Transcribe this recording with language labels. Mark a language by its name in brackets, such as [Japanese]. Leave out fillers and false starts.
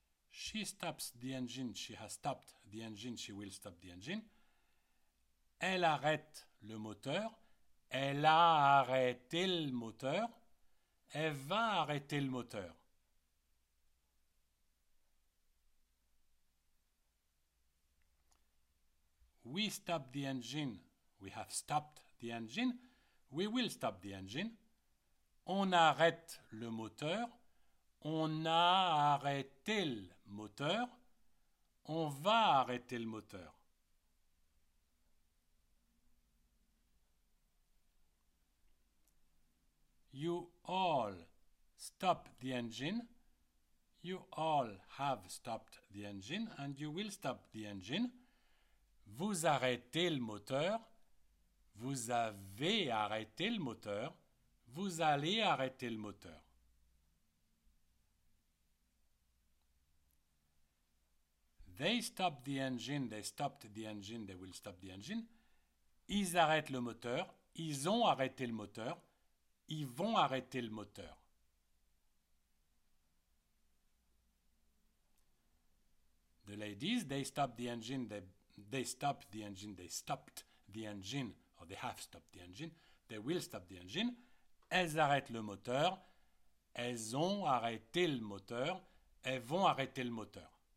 [English] She stops the engine, she has stopped the engine, she will stop the engine. [French] Elle arrête le moteur, elle a arrêté le moteur, elle va arrêter le moteur. [English] We stop the engine, we have stopped the engine, we will stop the engine. [French] On arrête le moteur, on a arrêté le moteur, on va arrêter le moteur. [English] You all stop the engine. You all have stopped the engine and you will stop the engine. [French] Vous arrêtez le moteur. Vous avez arrêté le moteur. Vous allez arrêter le moteur. [English] They stop the engine, they stopped the engine, they will stop the engine. [French] Ils arrêtent le moteur, ils ont arrêté le moteur, ils vont arrêter le moteur. [English] The ladies, they stop the engine, they stop the engine, they stopped the engine, or they have stopped the engine, they will stop the engine. [French] Elles arrêtent le moteur, elles ont arrêté le moteur, elles vont arrêter le moteur.